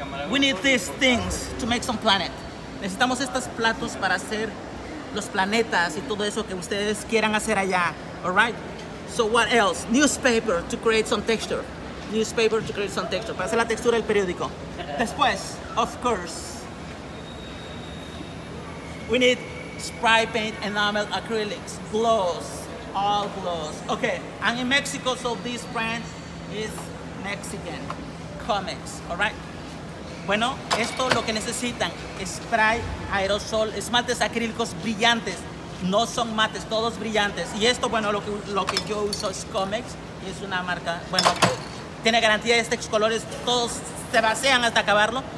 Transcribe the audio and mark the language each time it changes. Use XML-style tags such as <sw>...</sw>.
<en>We need these things to make some planet.</en> <es>Necesitamos estos platos para hacer los planetas y todo eso que ustedes quieran hacer allá,</es> <en>all right? So what else? Newspaper to create some texture. Newspaper to create some texture.</en> <es>Para hacer la textura del periódico.</es> <en>Después, of course, we need spray paint, enamel, acrylics, gloss. All gloss. Okay, I'm in Mexico, so this brand is Mexican. Comex, all right?</en> <es>Bueno, esto lo que necesitan, spray, aerosol, esmaltes acrílicos brillantes. No son mates, todos brillantes. Y esto, bueno, lo que yo uso es Comex. Es una marca, bueno, tiene garantía de estos colores. Todos se vacían hasta acabarlo.</es>